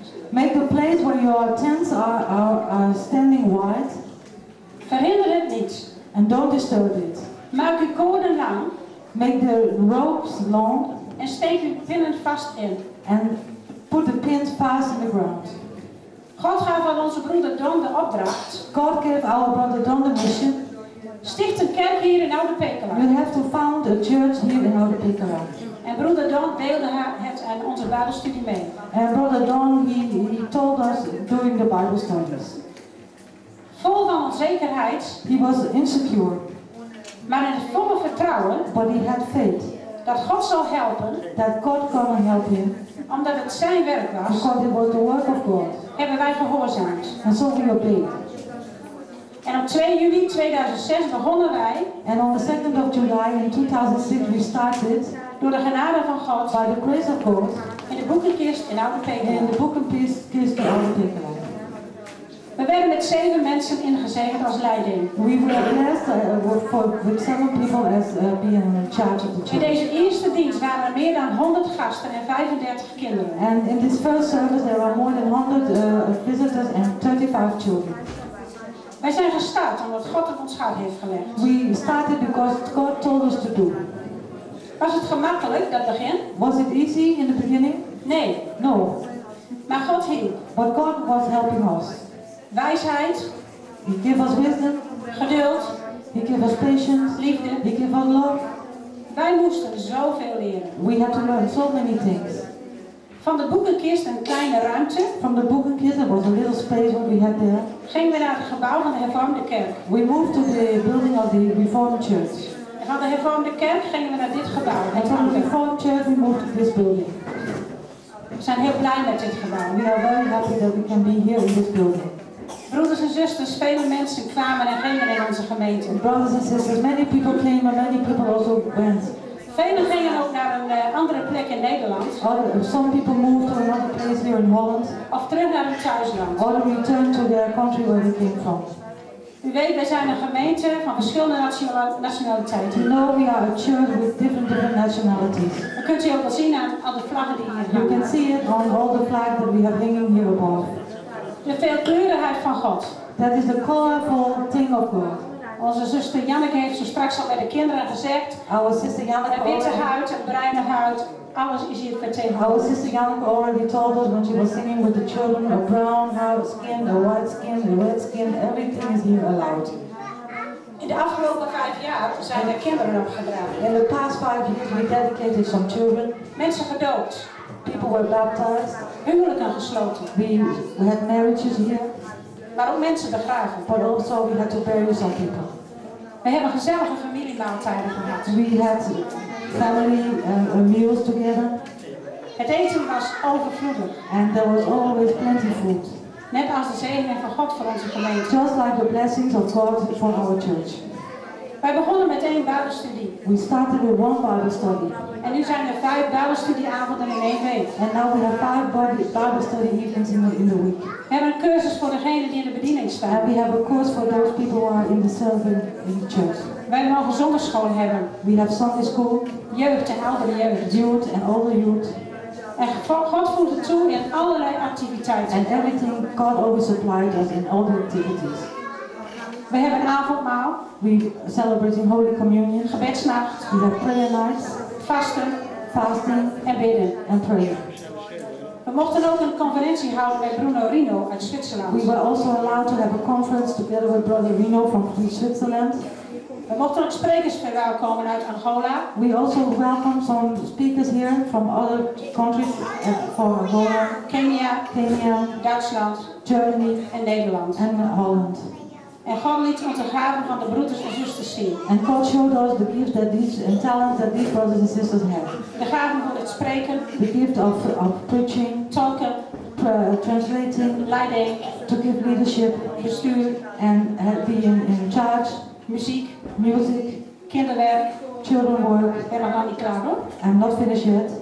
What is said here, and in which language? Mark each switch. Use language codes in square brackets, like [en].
[en] Make the place where your tents are standing wide. [nl] Verhinder het niet. [en] And don't disturb it. [nl] Maak uw koorden lang. [en] Make the ropes long. [nl] En steek uw pinnen vast in. [en] And put the pins fast in the ground. [nl] God gaf aan onze broeder Don de opdracht. [en] God gave our brother Don the mission. [nl] Sticht een kerk hier in Oude Pekela. [en] You have to found a church here in Oude Pekela. [nl] En broeder Don deelde het aan onze Bijbelstudie mee. [en] And brother Don he told us during the Bible studies. [nl] Vol van onzekerheid. [en] He was insecure. [nl] Maar in het volle vertrouwen. [en] But he had faith. [nl] Dat God zal helpen. [en] That God come and help him. [nl] Omdat het zijn werk was. [en] Because it was the work of God. [nl] Hebben wij gehoorzaamd. En zo ging het beter. En op 2 juli 2006 begonnen wij. [en] And on the 2nd of July in 2006 we started. [nl] Door de genade van God. [en] By the grace of God. [nl] In de boekenkist in Oude Pekela. In de boekenkist in Oude Pekela. We werden met 7 mensen ingezegend als leiding. [en] We were blessed with 7 people as being in charge of the church. [nl] In deze eerste dienst waren er meer dan 100 gasten en 35 kinderen. [en] And in this first service there were more than 100 visitors and 35 children. [nl] Wij zijn gestart omdat God op ons hart heeft gelegd. [en] We started because God told us to do. [nl] Was het gemakkelijk dat begin? [en] Was it easy in the beginning? [nl] Nee. [en] No. [nl] Maar God hielp. [en] But God was helping us. [nl] Wijsheid. [en] He gave us wisdom. [nl] Geduld. [en] He gave us patience. [nl] Liefde. [en] He gave us love. [nl] Wij moesten zoveel leren. [en] We had to learn so many things. [nl] Van de boekenkist een kleine ruimte. [en] From the boekenkist, there was a little space where we had there. [nl] Gingen we naar het gebouw van de hervormde kerk. [en] We moved to the building of the Reformed Church. [nl] En van de hervormde kerk gingen we naar dit gebouw. [en] And from the Reformed Church, we moved to this building. [nl] We zijn heel blij met dit gebouw. [en] We are very happy that we can be here in this building. [nl] Broeders en zusters, vele mensen kwamen en gingen in onze gemeente. [en] Brothers and sisters, many people came and many people also went. [nl] Vele gingen ook naar een andere plek in Nederland. [en] Some people moved to another place here in Holland. [nl] Of terug naar hun thuisland. [en] Or returned to their country where they came from. [nl] U weet, wij zijn een gemeente van verschillende nationaliteiten. [en] You know, we are a church with different nationalities. [nl] Dat kunt u ook wel zien aan alle vlaggen die hier hangen. [en] You can see it on all the flags that we have hanging here above. [nl] De veelkleurigheid van God. [en] That is the colorful thing of God. [nl] Onze zuster Janneke heeft zo straks al bij de kinderen gezegd. [en] Our sister Janneke. [nl] Een witte huid, een bruine huid. Alles is hier vertegenwoordigd. [en] Our sister Janneke already told us when she was singing with the children, a brown skin, a white skin, a red skin, everything is here allowed. [nl] In de afgelopen 5 jaar zijn er kinderen opgedragen. [en] In the past 5 years we dedicated some children. [nl] Mensen gedoopt. [en] People were baptized. [nl] Huwelijken gesloten. [en] We had marriages here. [nl] Maar ook mensen begraven. [en] But also we had to bury some people. [nl] We hebben gezellige familiemaaltijden gehad. [en] We had family meals together. [nl] Het eten was overvloedig. [en] And there was always plenty food. [nl] Net als de zegen van God voor onze gemeente. [en] Just like the blessings of God for our church. [nl] Wij begonnen met 1 Bijbelstudie. [en] We started with 1 Bible study. [nl] En nu zijn er 5 Bijbelstudieavonden in 1 week. [en] And now we have 5 Bible study evenings in the week. [nl] We hebben een cursus voor degenen die in de bediening staan. [en] And we have a course for those people who are in the serving in the church. [nl] Wij mogen zondagsschool hebben. [en] We have Sunday school. [nl] Jeugd en oudere jeugd. [en] Youth and older youth. [nl] En God voegt het toe in allerlei activiteiten. [en] And everything God oversupplied us in all the activities. [nl] We hebben een avondmaal. [en] We celebrate in Holy Communion. [nl] Gebedsnacht. [en] We have prayer nights. [nl] Fasten. [en] Fasting. [nl] En bidden. [en] And prayer. [nl] We mochten ook een conferentie houden met Bruno Rino uit Zwitserland. [en] We were also allowed to have a conference together with Brother Rino from Switzerland. [nl] We mochten ook sprekers verwelkomen uit Angola. [en] We also welcome some speakers here from other countries for Angola. [nl] Kenia. Duitsland. [en] Germany. [nl] En Nederland. [en] And Holland. [nl] En God liet ons de gaven van de broeders en zusters zien. [en] And God showed us the gift that these and talents that these brothers and sisters have. [nl] De gaven van het spreken. [en] The gift of preaching. [nl] Talken. [en] Translating. [nl] Leiding. [en] To give leadership. [nl] Bestuur. [en] And be in charge. [nl] Muziek. [en] Music. [nl] Kinderwerk. [en] Children work. [nl] Ben nog niet klaar hoor. [en] I'm not finished yet.